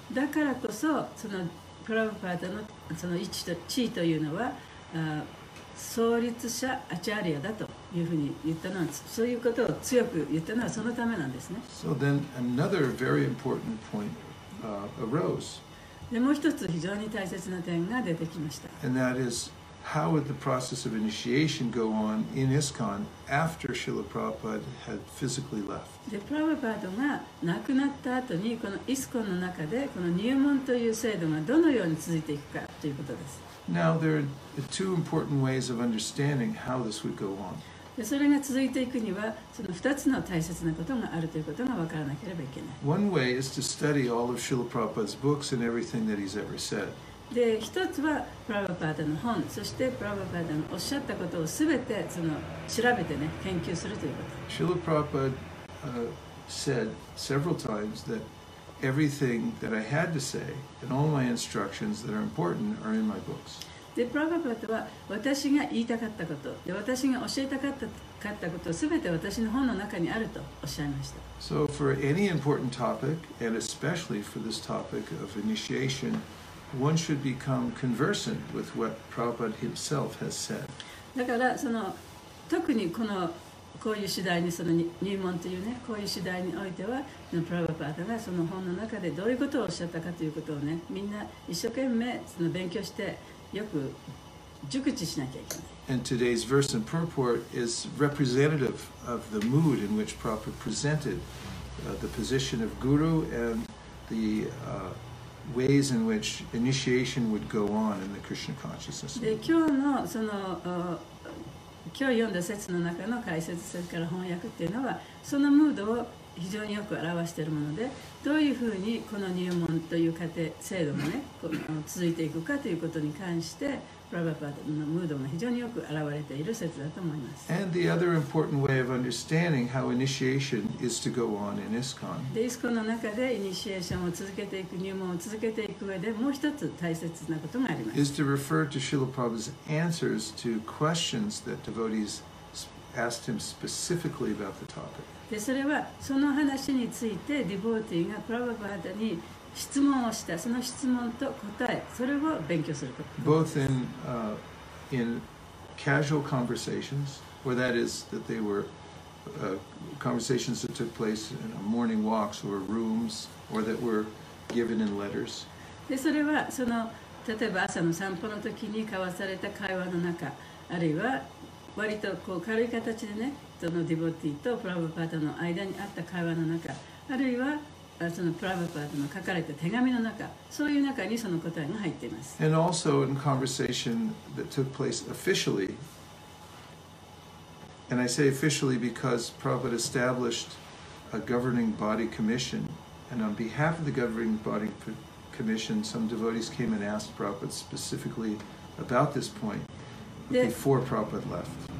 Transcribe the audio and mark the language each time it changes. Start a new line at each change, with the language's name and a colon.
Japanese: だからこそ、そのプラブパーダのその位置と地位というのは、創立者アチャーリアだというふうに言ったのは、そういうことを強く言ったのはそのためなんですね。
English: So then another very important point arose.
Japanese: でもう一つ非常に大切な点が出てきました。
English: And that is, how would the process of initiation go on in ISKCON after Srila Prabhupada had physically left?
Japanese: で、プラブパードが亡くなった後に、このイスコンの中で、この入門という制度がどのように続いていくかということです。
English: Now, there are two important ways of understanding how this would go on.
Japanese: で、それが続いていくには、その二つの大切なことがあるということが分からなければいけない。
English: One way is to study all of Srila Prabhupada's books and everything that he's ever said.
Japanese: で、一つはプラブパーダの本、そしてプラブパーダのおっしゃったことをすべてその調べてね、研究するということ。
English: Srila Prabhupada said several times that everything that I had to say and all my instructions that are important are in my books.
Japanese: で、プラブパーダは私が言いたかったこと、で私が教えたかったことをすべて私の本の中にあるとおっしゃいました。
English: So for any important topic, and especially for this topic of initiation, one should become conversant with what Prabhupada himself has said.
Japanese: だからその特にこのこういう次第にその入門というね、こういう次第においてはプラブパーダがその本の中でどういうことをおっしゃったかということをね、みんな一生懸命その勉強してよく熟知しなきゃいけない。
English: And today's verse and purport is representative of the mood in which Prabhupada presented the position of guru and the ways in which initiation would go on in the Krishna consciousness.
Japanese: で、今日のその今日読んだ説の中の解説それから翻訳っていうのはそのムードを非常によく表しているもので、どういうふうにこの入門という過程制度もね、続いていくかということに関して、プラブパーダのムードが非常によく表れている説だと思います。
English: And the other important way of understanding how initiation is to go on in ISKCON.
Japanese: で、イスコンの中でイニシエーションを続けていく、入門を続けていく上でもう一つ大切なことがあります。
English: Is to refer to Srila Prabhupada's answers to questions that devotees asked him specifically about the topic.
Japanese: でそれはその話についてディボーティーがプラブパーダに質問をしたその質問と答えそれを勉強すること
English: Both in, in casual conversations or that is that they were conversations that took place in morning walks or rooms or that were given in letters
Japanese: でそれはその例えば朝の散歩の時に交わされた会話の中あるいは割とこう軽い形でねそのディボティとプラブパーダの間にあった会話の中あるいはそのプラブパーダの書かれた手紙の中そういう中にその答えが入っています
English: And also in conversation that took place officially and I say officially because Prabhupada established a governing body commission and on behalf of the governing body commission some devotees came and asked Prabhupada specifically about this pointBefore Prabhupada left.